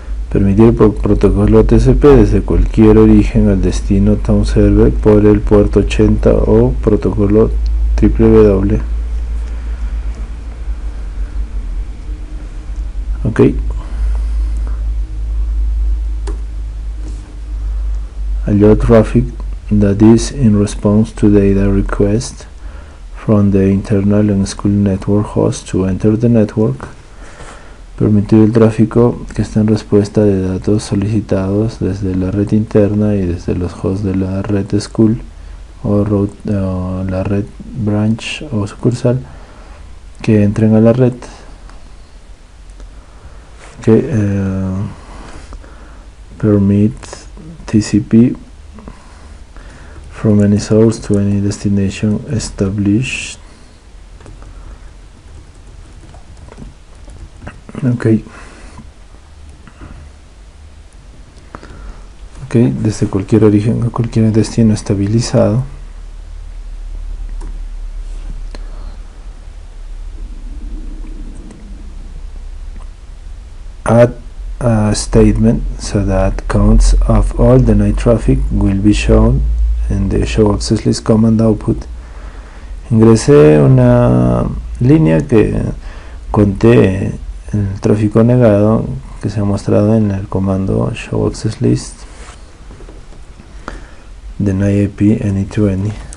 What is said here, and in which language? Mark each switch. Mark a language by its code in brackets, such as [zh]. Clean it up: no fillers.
[es] Permitir protocolo TCP desde cualquier origen al destino town server por el puerto 80 o protocolo www. [en] Ok, allow traffic that is in response to data request from the internal and school network host to enter the network. [es] Permitir el tráfico que está en respuesta de datos solicitados desde la red interna y desde los hosts de la red school o la red branch o sucursal que entren a la red. [en] Ok, permit TCP from any source to any destination established. [es] Ok, desde cualquier origen o cualquier destino estabilizado. [en] Add a statement so that counts of all denied traffic will be shown in the show access list command output. [es] Ingresé una línea que conté el tráfico negado que se ha mostrado en el comando show access list [en] deny IP any to any.